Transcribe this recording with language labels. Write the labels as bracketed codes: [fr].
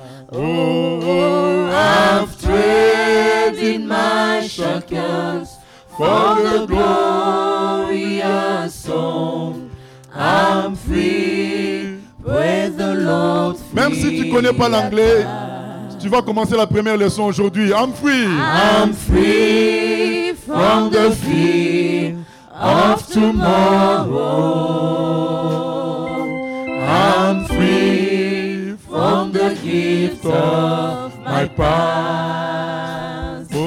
[en] Oh, I've traded my shackles for the glorious song. I'm free with the Lord. Free. [fr] Même si tu connais pas l'anglais, tu vas commencer la première leçon aujourd'hui. [en] I'm free. I'm free from the fear of tomorrow. I'm free. From the gift of my past.